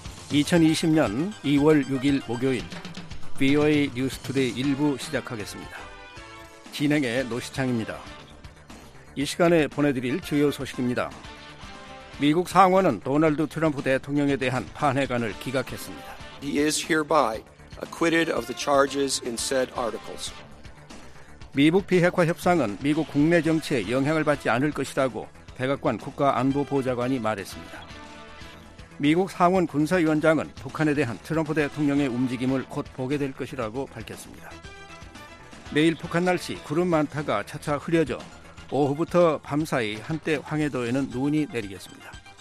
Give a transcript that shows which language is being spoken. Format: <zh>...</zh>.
<ko>2020년 2월 6일 목요일 VOA 뉴스 투데이 1부 시작하겠습니다. 진행의 노시창입니다. 이 시간에 보내드릴 주요 소식입니다. 미국 상원은 도널드 트럼프 대통령에 대한 탄핵안을 기각했습니다.</ko> <en>He is hereby acquitted of the charges in said articles.</en> <ko>미국 비핵화 협상은 미국 국내 정치에 영향을 받지 않을 것이라고 백악관 국가안보보좌관이 말했습니다. 미국 상원 군사위원장은 북한에 대한 트럼프 대통령의 움직임을 곧 보게 될 것이라고 밝혔습니다. 내일 북한 날씨 구름 많다가 차차 흐려져 오후부터 밤사이 한때 황해도에는 눈이 내리겠습니다.</ko>